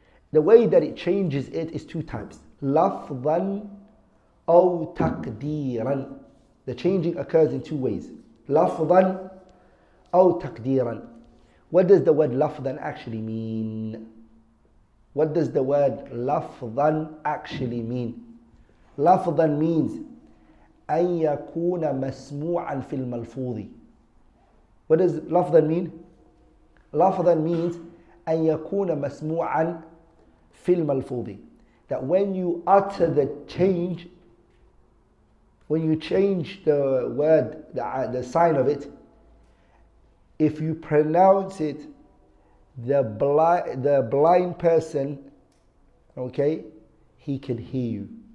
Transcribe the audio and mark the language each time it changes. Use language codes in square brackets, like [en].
[en] The way that it changes it is two types. Lafzan aw taqdiran. The changing occurs in two ways. Lafzan aw taqdiran. What does the word lafzan actually mean? What does the word lafzan actually mean? [ar] Lafzan means أن يكون مسموعا في الملفوظ. [en] What does lafzan mean? [ar] Lafzan means أن يكون مسموعا في الملفوظ. [en] That when you utter the change, when you change the word, the sign of it, if you pronounce it, the blind person, okay, he can hear you.